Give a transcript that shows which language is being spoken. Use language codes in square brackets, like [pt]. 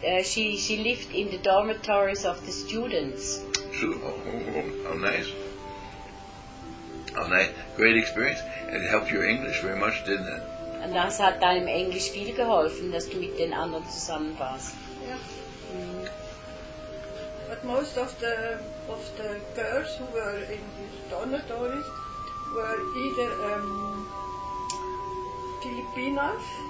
[en] She lived in the dormitories of the students. True. How nice. How nice. Great experience. It helped your English very much, didn't it? [de] Und das hat deinem Englisch viel geholfen, dass du mit den anderen zusammen warst. [en] But most of the girls who were in these dormitories were either Filipinas.